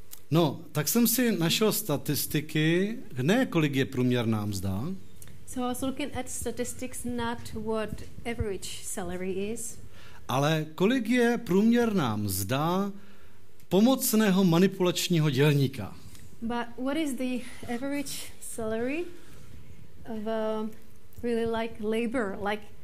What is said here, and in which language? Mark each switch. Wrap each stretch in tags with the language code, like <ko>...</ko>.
<cs>No, tak jsem si našel statistiky, ne kolik je průměrná mzda.</cs> <en>So I was looking at statistics, not what average salary is.</en> <cs>Ale kolik je průměrná mzda pomocného manipulačního dělníka.</cs> <en>But what is the average salary of really like labor, like</en>